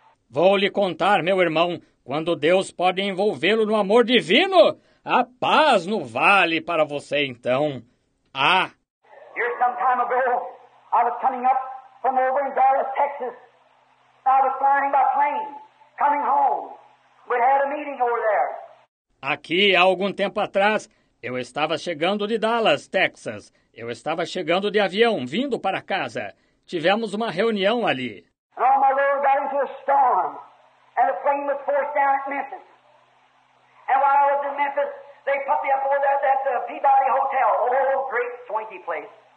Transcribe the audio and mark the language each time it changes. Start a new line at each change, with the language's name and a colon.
Portuguese: Vou lhe contar, meu irmão, quando Deus pode envolvê-lo no amor divino, há paz no vale para você, então. Há.
English: Here some time ago, I was coming up from over in Dallas, Texas. I was flying by plane, coming home. We had a meeting over there.
Portuguese: Aqui, há algum tempo atrás, eu estava chegando de Dallas, Texas. Eu estava chegando de avião, vindo para casa. Tivemos uma reunião ali.
English: And all my load got into a storm, and the plane was forced down at Memphis. And while I was in Memphis, they put me up over there at the Peabody Hotel, old, great, swanky place.